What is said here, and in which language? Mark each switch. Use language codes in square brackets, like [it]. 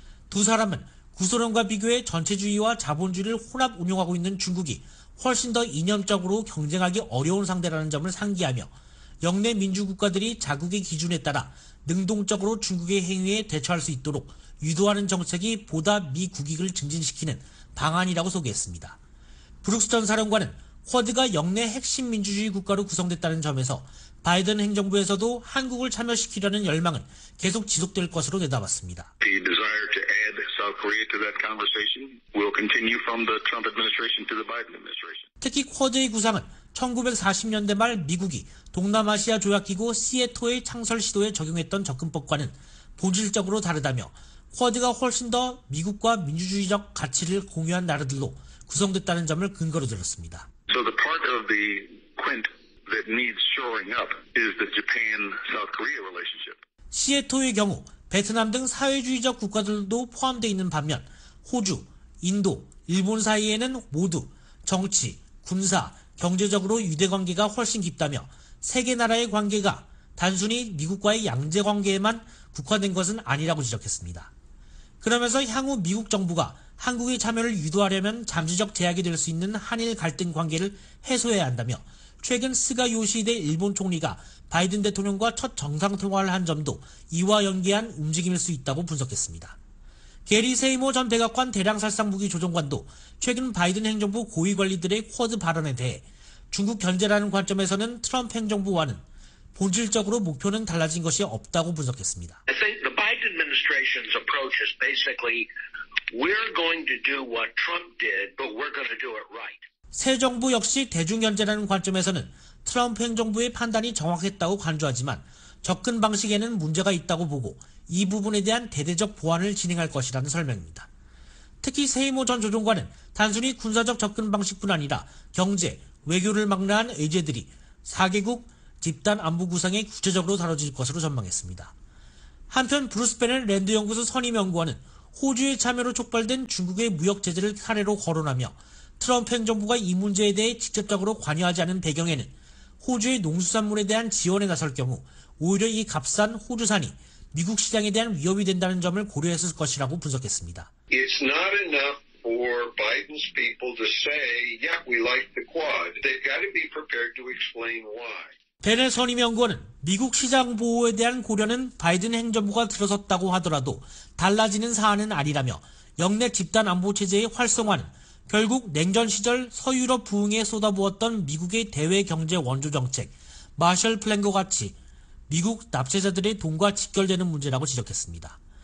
[ko] 두 사람은 구소련과 비교해 전체주의와 자본주의를 혼합 운용하고 있는 중국이 훨씬 더 이념적으로 경쟁하기 어려운 상대라는 점을 상기하며 영내 민주국가들이 자국의 기준에 따라 능동적으로 중국의 행위에 대처할 수 있도록 유도하는 정책이 보다 미 국익을 증진시키는 방안이라고 소개했습니다. 브룩스 전 사령관은 쿼드가 영내 핵심 민주주의 국가로 구성됐다는 점에서 바이든 행정부에서도 한국을 참여시키려는 열망은 계속 지속될 것으로 내다봤습니다. [en] The desire to add South Korea to that conversation. We'll continue from the Trump administration to the Biden administration. [ko] 특히 쿼드의 구상은 1940년대 말 미국이 동남아시아 조약기구 시애틀의 창설 시도에 적용했던 접근법과는 본질적으로 다르다며 쿼드가 훨씬 더 미국과 민주주의적 가치를 공유한 나라들로 구성됐다는 점을 근거로 들었습니다. [en] So the part of the quint that needs shoring up is the Japan-South Korea relationship. [ko] 시애틀의 경우 베트남 등 사회주의적 국가들도 포함되어 있는 반면 호주, 인도, 일본 사이에는 모두 정치, 군사, 경제적으로 유대관계가 훨씬 깊다며 세계 나라의 관계가 단순히 미국과의 양제관계에만 국한된 것은 아니라고 지적했습니다. 그러면서 향후 미국 정부가 한국의 참여를 유도하려면 잠재적 제약이 될 수 있는 한일 갈등 관계를 해소해야 한다며 최근 스가 요시히데 일본 총리가 바이든 대통령과 첫 정상 통화를 한 점도 이와 연계한 움직임일 수 있다고 분석했습니다. 게리 세이머 전 백악관 대량살상무기 조정관도 최근 바이든 행정부 고위관리들의 쿼드 발언에 대해 중국 견제라는 관점에서는 트럼프 행정부와는 본질적으로 목표는 달라진 것이 없다고 분석했습니다. [en] I think the Biden administration's approach is basically we're going to do what Trump did, but we're going to do it right. [ko] 새 정부 역시 대중견제라는 관점에서는 트럼프 행정부의 판단이 정확했다고 강조하지만 접근 방식에는 문제가 있다고 보고 이 부분에 대한 대대적 보완을 진행할 것이라는 설명입니다. 특히 세이모 전 조정관은 단순히 군사적 접근 방식뿐 아니라 경제, 외교를 망라한 의제들이 4개국 집단 안보 구상에 구체적으로 다뤄질 것으로 전망했습니다. 한편 브루스 베넬 랜드 연구소 선임 연구원은 호주의 참여로 촉발된 중국의 무역 제재를 사례로 거론하며 트럼프 행정부가 이 문제에 대해 직접적으로 관여하지 않은 배경에는 호주의 농수산물에 대한 지원에 나설 경우 오히려 이 값싼 호주산이 미국 시장에 대한 위협이 된다는 점을 고려했을 것이라고 분석했습니다. [en] It's not enough for Biden's people to say, yeah, we like the quad. They've got to be prepared to explain why. [ko] 베넬 선임 연구원은 미국 시장 보호에 대한 고려는 바이든 행정부가 들어섰다고 하더라도 달라지는 사안은 아니라며 영내 집단 안보 체제의 활성화는 결국 냉전 시절 서유럽 부흥에 쏟아부었던 미국의 대외 경제 원조 정책, 마셜 플랜과 같이 미국 납세자들의 돈과 직결되는 문제라고 지적했습니다.